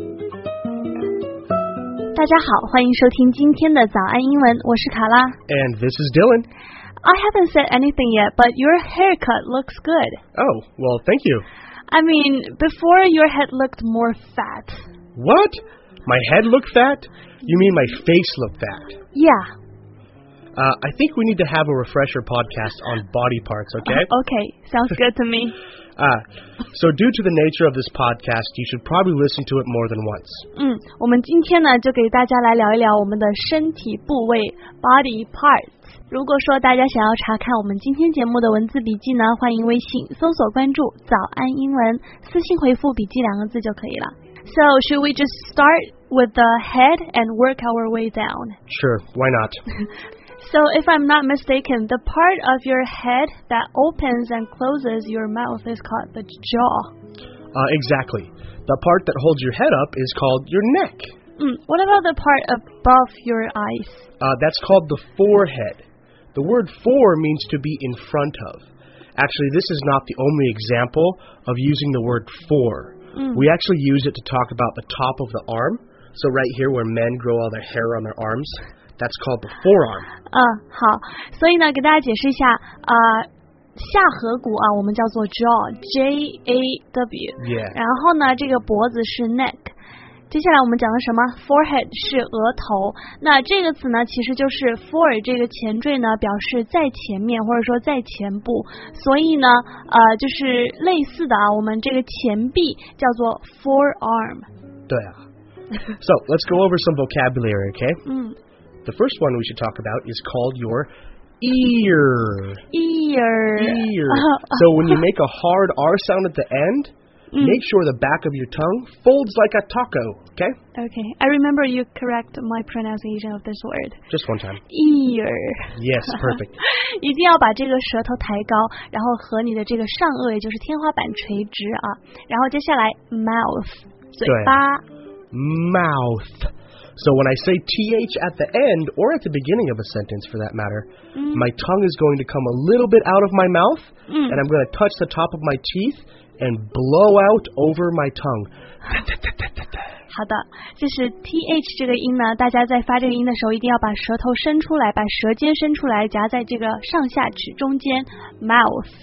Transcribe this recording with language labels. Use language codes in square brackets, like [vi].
[zh] 家好，欢迎收听今天的早安英文，我是卡拉。 [en] And this is Dylan. I haven't said anything yet, but your haircut looks good. Oh, well, thank you. I mean, before your head looked more fat. What? My head looked fat? You mean my face looked fat? Yeah. I think we need to have a refresher podcast on body parts, okay? Okay, sounds good to me. So due to the nature of this podcast, you should probably listen to it more than once. [zh] 我们今天呢就给大家来聊一聊我们的身体部位 body parts。如果说大家想要查看我们今天节目的文字笔记呢，欢迎微信搜索关注早安英文，私信回复笔记两个字就可以了。 [en] So should we just start with the head and work our way down? Sure, why not? So if I'm not mistaken, the part of your head that opens and closes your mouth is called the jaw. Exactly. The part that holds your head up is called your neck. What about the part above your eyes? That's called the forehead. The word for means to be in front of. Actually, this is not the only example of using the word for. We actually use it to talk about the top of the arm. So right here where men grow all their hair on their arms... That's called the forearm. [zh] 好，所以呢，给大家解释一下，下颌骨啊，我们叫做 jaw. [en] Yeah. [zh] 然后呢，这个脖子是 neck。接下来我们讲的什么 ？Forehead 是额头。那这个词呢，其实就是 fore 这个前缀呢，表示在前面或者说在前部。所以呢，就是类似的啊，我们这个前臂叫做 forearm. 对啊。 [en] So let's go over some vocabulary, okay? 嗯。 The first one we should talk about is called your ear. Ear. So when you make a hard R sound at the end, make sure the back of your tongue folds like a taco, okay? Okay. I remember you correct my pronunciation of this word. Just one time. Ear. Yes, perfect. [zh] 一定要把这个舌头抬高，然后和你的这个上颚，也就是天花板垂直啊。然后接下来 mouth, 嘴巴。 [en] Mouth. So when I say TH at the end, or at the beginning of a sentence for that matter, my tongue is going to come a little bit out of my mouth, and I'm going to touch the top of my teeth and blow out over my tongue. [zh] 好的，就是 TH 这个音呢，大家在发这个音的时候一定要把舌头伸出来，把舌尖伸出来，夹在这个上下齿中间 mouth.